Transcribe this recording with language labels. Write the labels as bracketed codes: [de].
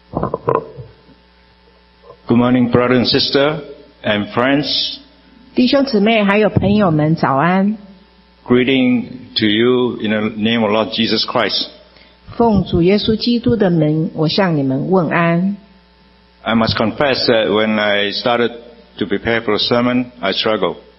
[en] Good morning, brother and sister and friends. [zh] 弟兄姊妹还有朋友们早安。 [en] Greeting to you in the name of Lord Jesus Christ. [zh] 奉主耶稣基督的名我向你们问安。 [en] I must confess that when I started to prepare for a sermon, I struggled.